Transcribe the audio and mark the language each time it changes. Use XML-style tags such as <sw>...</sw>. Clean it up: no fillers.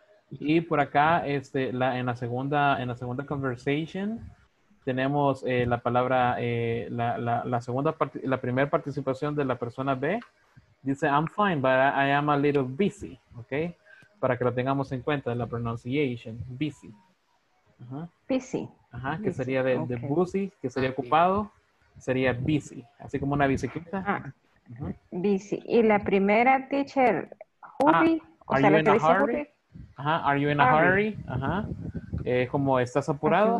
<es>Y por acá, en la segunda conversation, tenemos la palabra, la primera participación de la persona B.</es> <en>Dice, I'm fine, but I am a little busy. Okay.</en> <es>Para que lo tengamos en cuenta, la pronunciation.</es> <en>Busy. Busy.</en> <es>Que sería de, de busy, que sería ocupado. Sería busy, así como una bicicleta. Busy. Y la primera, teacher, hurry.</es> <en>Are you in a hurry?</en> <es>Como estás apurado.</es>